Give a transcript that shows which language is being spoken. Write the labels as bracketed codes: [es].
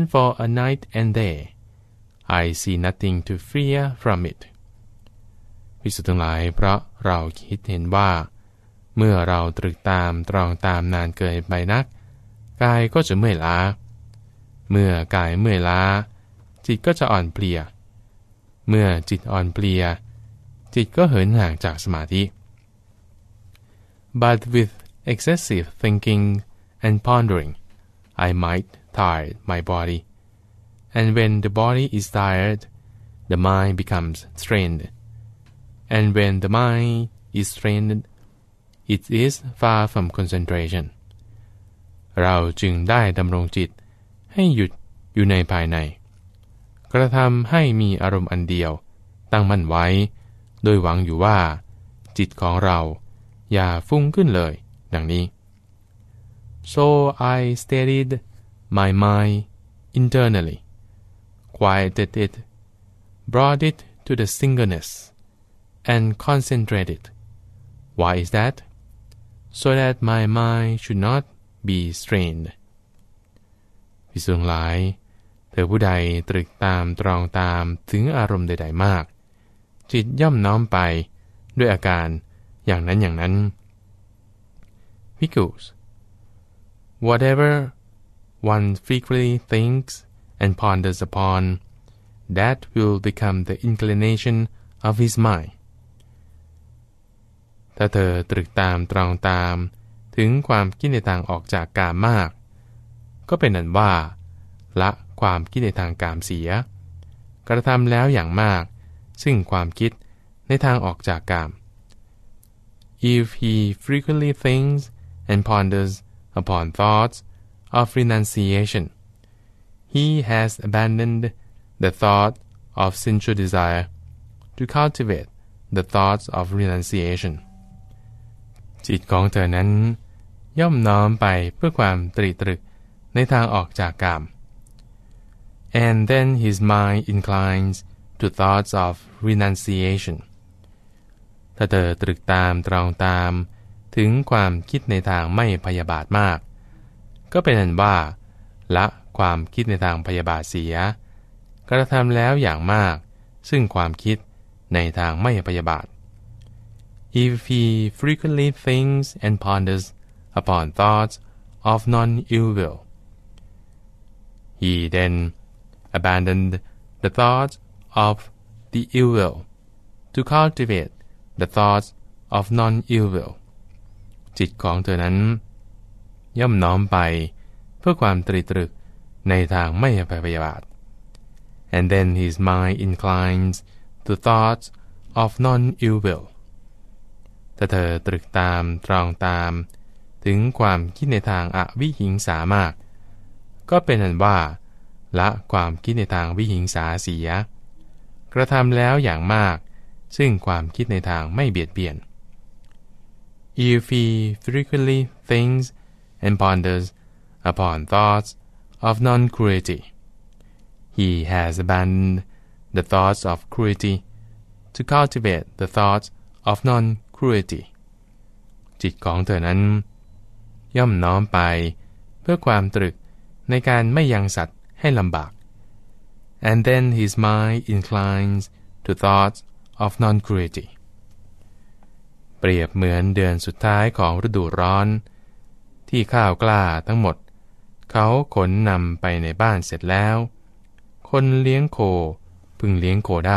[en] If I think and ponder upon these thoughts even for a night even for a day even for a night and day I see nothing to fear from it [th] ภิกษุทั้งหลายเพราะเราคิดเห็นว่า เมื่อเราตรึกตามตรองตามนานเกินไปนักกายก็จะเมื่อยล้าเมื่อกายเมื่อยล้าจิตก็จะอ่อนเพลียเมื่อจิตอ่อนเพลีย จิตก็เหินห่างจากสมาธิ [en] But with excessive thinking and pondering, I might tire my body. And when the body is tired, the mind becomes strained. And when the mind is strained, it is far from concentration. [th] เราจึงได้ดำรงจิตให้หยุดอยู่ในภายในกระทำให้มีอารมณ์อันเดียวตั้งมั่นไว้โดยหวังอยู่ว่าจิตของเราอย่าฟุ้งขึ้นเลยดังนี้ [en] So I steadied my mind internally, quieted it, brought it to the singleness, and concentrated. Why is that? So that my mind should not be strained. [th] ภิกษุทั้งหลายเธอผู้ใดตรึกตามตรองตามถึงอารมณ์ใดๆมากจิตย่อมน้อมไปด้วยอาการอย่างนั้นอย่างนั้น [en] Because whatever one frequently thinks and ponders upon, that will become the inclination of his mind. [th] ถ้าเธอตรึกตามตรองตามถึงความคิดในทางออกจากกามมากก็เป็นนั้นว่าละความคิดในทางกามเสียกระทำแล้วอย่างมากซึ่งความคิดในทางออกจากกาม [en] If he frequently thinks and ponders upon thoughts of renunciation, he has abandoned the thought of sensual desire to cultivate the thoughts of renunciation. [th] จิตของเธอนั้นย่อมน้อมไปเพื่อความตรีตรึกในทางออกจากกาม [en] And then his mind inclines to thoughts of renunciation. [th] ถ้าเธอตรึกตามตรองตามถึงความคิดในทางไม่พยาบาทมากก็เป็นอันว่าละความคิดในทางพยาบาทเสียกระทำแล้วอย่างมากซึ่งความคิดในทางไม่พยาบาท [en] If he frequently thinks and ponders upon thoughts of non-ill will, he then abandoned the thoughts of the ill will to cultivate the thoughts of non-ill will. [th] จิตของเธอนั้นย่อมน้อมไปเพื่อความตรีตรึกในทางไม่พยาบาท [en] And then his mind inclines to thoughts of non-ill will. [th] ถ้าเธอตรึกตามตรองตามถึงความคิดในทางอวิหิงสามากก็เป็นอันว่าละความคิดในทางวิหิงสาเสียกระทำแล้วอย่างมากซึ่งความคิดในทางไม่เบียดเบียน [en] If he frequently thinks and ponders upon thoughts of non-cruelty, he has abandoned the thoughts of cruelty to cultivate the thoughts of non-cruelty. [th] จิตของเธอนั้นย่อมน้อมไปเพื่อความตรึกในการไม่ยังสัตว์ให้ลำบาก [en] And then his mind inclines to thoughts of non-cruelty. [th] เปรียบเหมือนเดือนสุดท้ายของฤดูร้อนที่ข้าวกล้าทั้งหมดเขาขนนำไปในบ้านเสร็จแล้วคนเลี้ยงโคพึงเลี้ยงโคได